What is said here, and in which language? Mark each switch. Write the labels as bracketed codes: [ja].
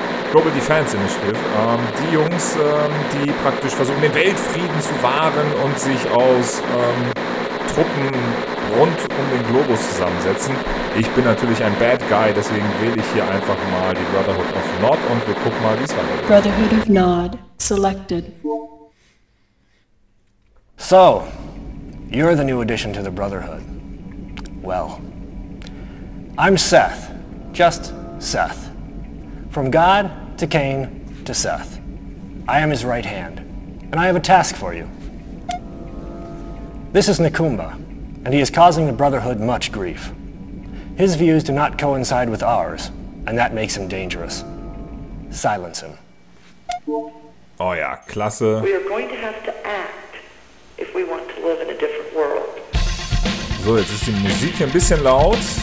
[de] Die Jungs, die praktisch versuchen, den Weltfrieden zu wahren und sich aus Truppen rund um den Globus zusammensetzen. Ich bin natürlich ein Bad Guy, deswegen wähle ich hier einfach mal die Brotherhood of Nord und wir gucken mal, wie es weitergeht. [en] Brotherhood of Nord selected. So, you're the new addition to the Brotherhood. Well, I'm Seth, just Seth. From God to Cain to Seth. I am his right hand, and I have a task for you. This is Nakumba, and he is causing the Brotherhood much grief. His views do not coincide with ours, and that makes him dangerous. Silence him. [de] Oh ja, klasse. [en] We are going to have to act if we want to live in a different world. [de] So, jetzt ist die Musik ein bisschen laut.